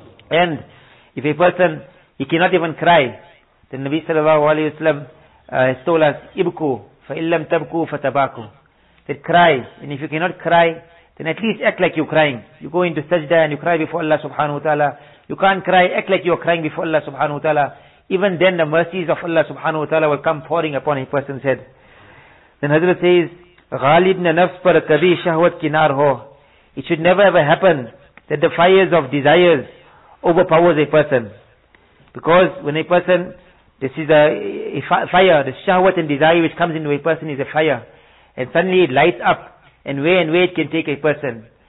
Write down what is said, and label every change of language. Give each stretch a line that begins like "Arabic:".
English: And if a person, he cannot even cry, then Nabi sallallahu alayhi wa sallam, has told us,
Arabic: Ibku, fa illam tabku fatabaku.
English: That cry, and if you cannot cry, then at least act like you're crying. You go into sajda and you cry before Allah subhanahu wa ta'ala. You can't cry, act like you're crying before Allah subhanahu wa ta'ala. Even then the mercies of Allah subhanahu wa ta'ala will come pouring upon a person's head. Then Hazrat says,
Urdu: غالب نفس پر کبھی شہوت کی نار ہو.
English: It should never ever happen that the fires of desires overpowers a person. Because when a person, this is a fire, the shahwat and desire which comes into a person is a fire. And suddenly it lights up, and where it can take a person.